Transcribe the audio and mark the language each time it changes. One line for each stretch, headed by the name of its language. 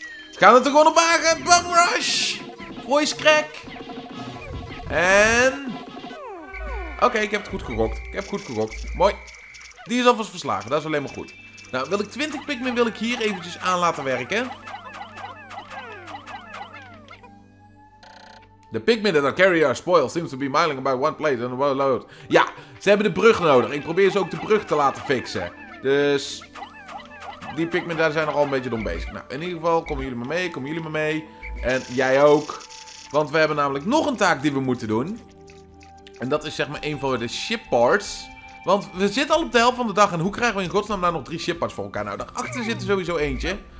Dutch: Gaan we het er gewoon op wagen? Bum Rush!
English: Voice crack!
Dutch: En. Oké, ik heb het goed gegokt. Ik heb het goed gegokt. Mooi. Die is alvast verslagen. Dat is alleen maar goed. Nou, wil ik 20 Pikmin wil ik hier eventjes aan laten werken.
English: The Pikmin that are carrying our spoil seems to be miling about one place and one load.
Dutch: Ja, ze hebben de brug nodig. Ik probeer ze ook de brug te laten fixen. Dus. Die Pikmin daar zijn nogal een beetje dom bezig. Nou, in ieder geval, komen jullie maar mee, komen jullie maar mee. En jij ook. Want we hebben namelijk nog een taak die we moeten doen. En dat is zeg maar een van de ship parts. Want we zitten al op de helft van de dag. En hoe krijgen we in godsnaam nou nog 3 ship parts voor elkaar? Nou, daarachter zit er sowieso eentje.